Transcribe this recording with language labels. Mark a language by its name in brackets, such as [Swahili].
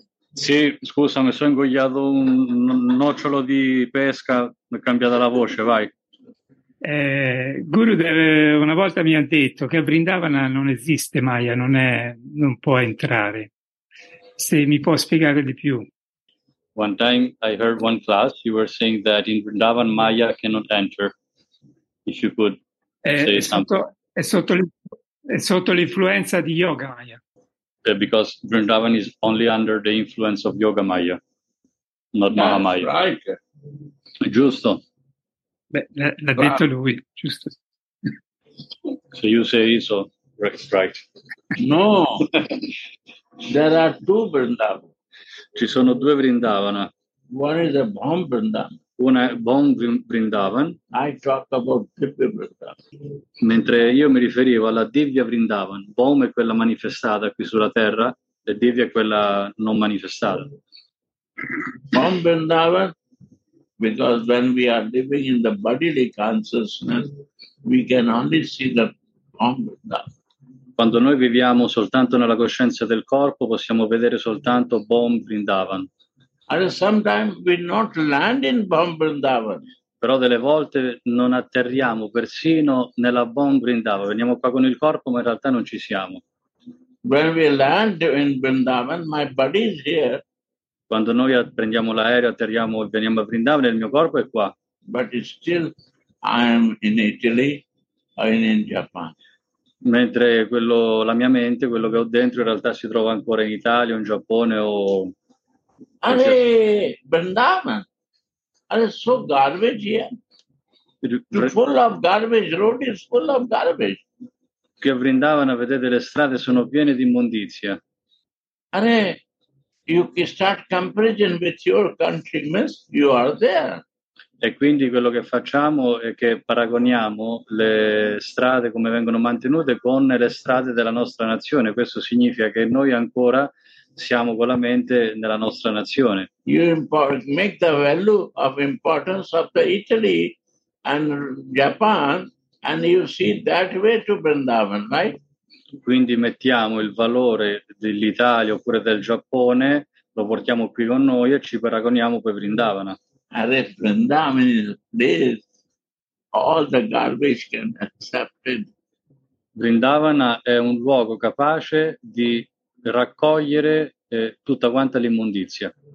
[Italian] Sì, scusa, mi sono ingoiato un nocciolo di pesca, mi è cambiata la voce, vai. Gurudev una volta mi ha detto che Vrindavana non esiste, Maya, non può entrare. Se mi può spiegare di più. [English] One time I heard one class, you were saying that in Vrindavan Maya cannot enter. If you could say something. [Italian] È sotto l'influenza di Yoga Maya. [English] Because Vrindavan is only under the influence of Yoga Maya, not That's Mahamaya. Right. [Italian] Giusto. Beh, l'ha detto lui, giusto. [English] So you say so, right. No, there are two Vrindavan. [Italian] Ci sono due Vrindavana. [English] One is a bomb Vrindavan. [Italian] Una bomb Vrindavan. [English] I talk about Divya Vrindavan. [Italian] Mentre io mi riferivo alla Divya Vrindavan. Bomb è quella manifestata qui sulla terra e Divya è quella non manifestata. [English] Bomb Vrindavan, because when we are living in the bodily consciousness, we can only see the bomb Vrindavan. [Italian] Quando noi viviamo soltanto nella coscienza del corpo, possiamo vedere soltanto bomb Vrindavan. [English] And sometimes we not land in bomb Vrindavan. [Italian] Però delle volte non atterriamo persino nella bomb Vrindavan. Veniamo qua con il corpo, ma in realtà non ci siamo. [English] When we land in Vrindavan, my body is here. [Italian] Quando noi prendiamo l'aereo, atterriamo e veniamo a Vrindavan, il mio corpo è qua. [English] But still I am in Italy or in Japan. [Italian] Mentre quello, la mia mente, quello che ho dentro, in realtà si trova ancora in Italia, in Giappone o... [English] Are Vrindavan, are so garbage here. It's full of garbage, road is full of garbage. [Italian] Che Vrindavan, vedete, le strade sono piene di immondizia. [English] Are you start comparison with your country, miss? You are there. [Italian] E quindi quello che facciamo è che paragoniamo le strade come vengono mantenute con le strade della nostra nazione. Questo significa che noi ancora siamo con la mente nella nostra nazione. [English] You import, make the value of importance of the Italy and Japan and you see that way to Vrindavan, right? [Italian] Quindi mettiamo il valore dell'Italia oppure del Giappone, lo portiamo qui con noi e ci paragoniamo poi Vrindavana. [English] Are Vrindavan is a place all the garbage can accept it. [Italian] Vrindavana è un luogo capace di raccogliere tutta quanta l'immondizia.